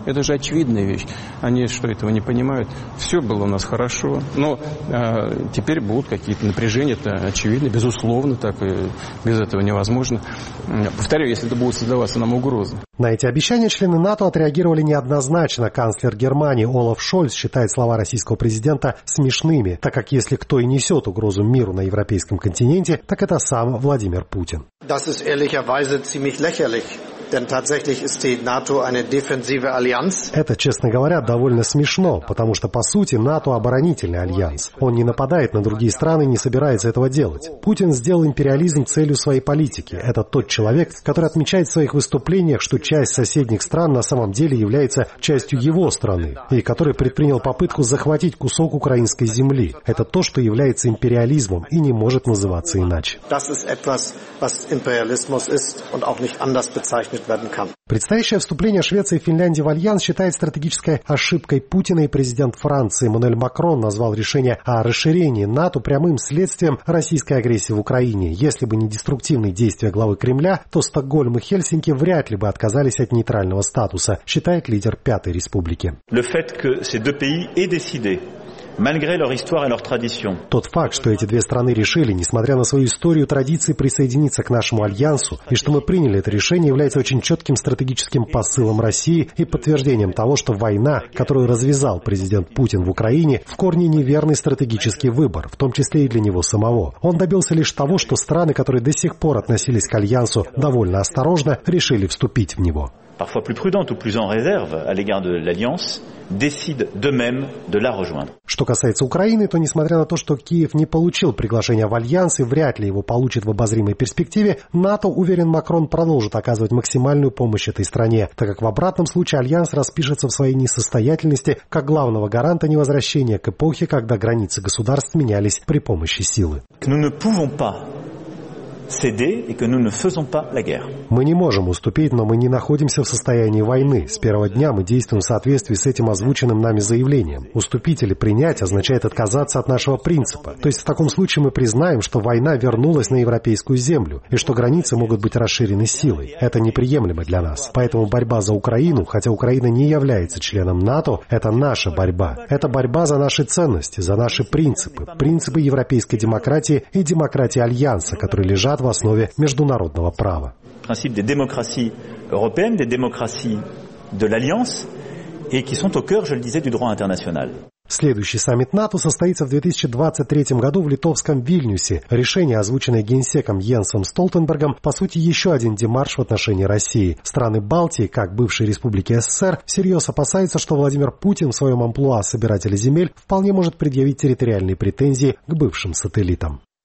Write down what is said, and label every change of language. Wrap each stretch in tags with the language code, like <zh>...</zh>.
<ru>Это же очевидная вещь. Они что, этого не понимают? Все было у нас хорошо, но теперь будут какие-то напряжения, это очевидно, безусловно, так и без этого невозможно. Повторяю, если это будут создаваться нам угрозы. На эти обещания члены НАТО отреагировали неоднозначно. Канцлер Германии Олаф Шольц считает слова российского президента смешными, так как если кто и несет угрозу миру на европейском континенте, так это сам Владимир Путин.</ru> <de>Das ist ehrlicherweise ziemlich lächerlich. Denn tatsächlich ist die NATO eine defensive Allianz.</de> <ru>Это, честно говоря, довольно смешно, потому что, по сути, НАТО – оборонительный альянс. Он не нападает на другие страны и не собирается этого делать. Путин сделал империализм целью своей политики. Это тот человек, который отмечает в своих выступлениях, что часть соседних стран на самом деле является частью его страны, и который предпринял попытку захватить кусок украинской земли. Это то, что является империализмом и не может называться иначе.</ru> <de>Das ist etwas, was Imperialismus ist und auch nicht anders bezeichnet.</de> <ru>Предстоящее вступление Швеции и Финляндии в альянс считает стратегической ошибкой Путина, и президент Франции Эммануэль Макрон назвал решение о расширении НАТО прямым следствием российской агрессии в Украине. Если бы не деструктивные действия главы Кремля, то Стокгольм и Хельсинки вряд ли бы отказались от нейтрального статуса, считает лидер Пятой Республики.</ru> <fr>Le fait que ces deux pays aient décidé. Malgré leur histoire et leur tradition.</fr> <ru>Тот факт, что эти две страны решили, несмотря на свою историю и традиции, присоединиться к нашему альянсу, и что мы приняли это решение, является очень четким стратегическим посылом России и подтверждением того, что война, которую развязал президент Путин в Украине, в корне неверный стратегический выбор, в том числе и для него самого. Он добился лишь того, что страны, которые до сих пор относились к альянсу довольно осторожно, решили вступить в него.</ru> <fr>Parfois plus prudente ou plus en réserve à l'égard de l'alliance, décide d'eux-mêmes de la rejoindre.</fr> <ru>Что касается Украины, то несмотря на то, что Киев не получил приглашение в альянс и вряд ли его получит в обозримой перспективе, НАТО, уверен Макрон, продолжит оказывать максимальную помощь этой стране, так как в обратном случае альянс распишется в своей несостоятельности как главного гаранта невозвращения к эпохе, когда границы государств менялись при помощи силы.</ru> <fr>Nous ne pouvons pas.</fr> <ru>Мы не можем уступить, но мы не находимся в состоянии войны. С первого дня мы действуем в соответствии с этим озвученным нами заявлением. Уступить или принять означает отказаться от нашего принципа. То есть в таком случае мы признаем, что война вернулась на европейскую землю и что границы могут быть расширены силой. Это неприемлемо для нас. Поэтому борьба за Украину, хотя Украина не является членом НАТО, это наша борьба. Это борьба за наши ценности, за наши принципы. Принципы европейской демократии и демократии Альянса, которые лежат в основе международного права. Принцип демократии</ru> <fr>européenne, des démocraties de l'Alliance et qui sont au cœur, je le disais, du droit international.</fr> <ru>Следующий саммит НАТО состоится в 2023 году в литовском Вильнюсе. Решение, озвученное генсеком Йенсом Столтенбергом, по сути, еще один демарш в отношении России. Страны Балтии, как бывшие республики СССР, всерьез опасаются, что Владимир Путин в своем амплуа собирателя земель вполне может предъявить территориальные претензии к бывшим сателлитам.</ru>